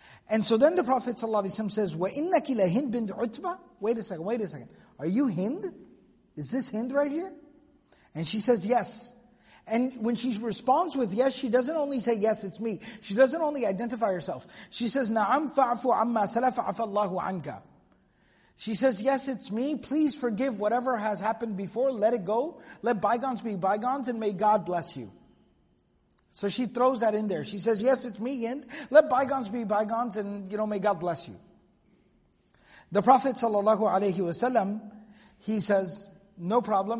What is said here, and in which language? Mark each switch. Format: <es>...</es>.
<en>And so then the Prophet ﷺ says,</en> <ar>وَإِنَّكِ لَهِنْدْ بِنْدْ عُتْبَةً.</ar> <en>Wait a second. Are you Hind? Is this Hind right here? And she says, yes. And when she responds with yes, she doesn't only say, yes, it's me. She doesn't only identify herself. She says,</en> <ar>نَعَمْ فَعْفُ عَمَّا سَلَفَ عَفَ اللَّهُ عَنْكَ.</ar> <en>She says, yes, it's me. Please forgive whatever has happened before. Let it go. Let bygones be bygones and may God bless you. So she throws that in there. She says, yes, it's me, Hind. Let bygones be bygones and, you know, may God bless you. The Prophet ﷺ, he says, no problem.</en>